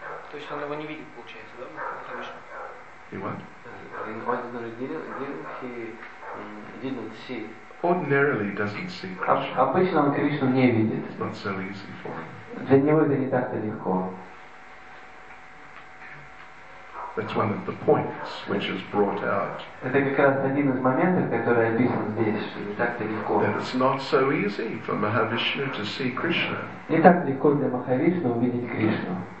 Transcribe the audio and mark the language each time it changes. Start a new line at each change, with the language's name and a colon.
Russian: То есть, он его не видит, получается, да, Махавишну?
English: He what? In ordinary deal, he didn't see. Ordinarily doesn't see Krishna.
Russian: Обычно он Кришну не видит.
English: It's not so easy for him.
Russian: Для него это не так-то легко.
English: That's one of the points which is brought out.
Russian: Это как раз один из моментов, который описан здесь, что не так-то легко.
English: That it's not so easy for Mahavishnu to see Krishna.
Russian: Не так легко для Махавишну увидеть Кришну.